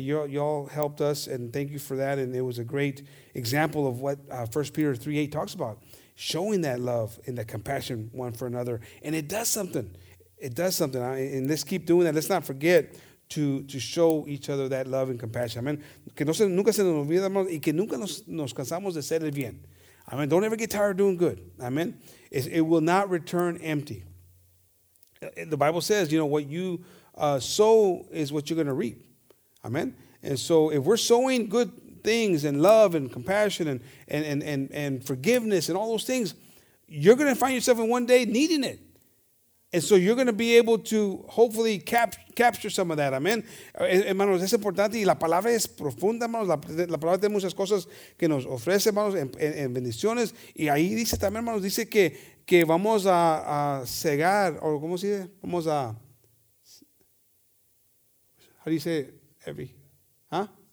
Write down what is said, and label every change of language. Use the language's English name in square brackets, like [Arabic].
[English] Y'all helped us, and thank you for that. And it was a great example of what 1 Peter 3:8 talks about. Showing that love and that compassion one for another. And it does something. It does something. And let's keep doing that. Let's not forget to show each other that love and compassion. Amen. [Spanish] Que nunca se nos olvide, hermanos, y que nunca nos cansamos de hacer el bien. [English] Amen. Don't ever get tired of doing good. Amen. It will not return empty. The Bible says, you know, what you sow is what you're going to reap. Amen. And so if we're sowing good things and love and compassion and forgiveness and all those things, you're going to find yourself in one day needing it. And so you're going to be able to hopefully capture some of that. [Spanish] Amen. Hermanos, es importante. Y la palabra es profunda, hermanos. La palabra tiene muchas cosas que nos ofrece, hermanos, en bendiciones. Y ahí dice también, hermanos, dice que vamos a cegar, o ¿cómo se dice? Vamos a, [English] how do you say every, huh?